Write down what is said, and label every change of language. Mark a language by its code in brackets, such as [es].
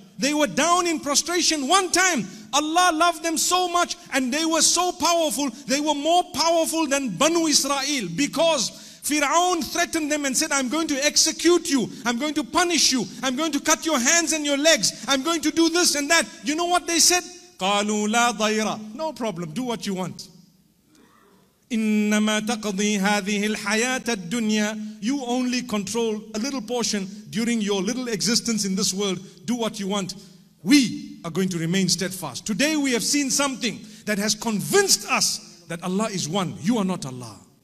[en] They were down in prostration one time. Allah loved them so much and they were so powerful. They were more powerful than Banu Israel because Fir'aun threatened them and said, I'm going to execute you. I'm going to punish you. I'm going to cut your hands and your legs. I'm going to do this and that. You know what they said? [ar] قَالُوا لَا ضَيْرَ [en] No problem. Do what you want. [ar] إِنَّمَا تَقْضِي هَذِهِ الْحَيَاةَ الدُّنْيَا [en] You only control a little portion during your little existence in this world. Do what you want. We are going to remain steadfast. Today we have seen something that has convinced us that Allah is one. You are not Allah.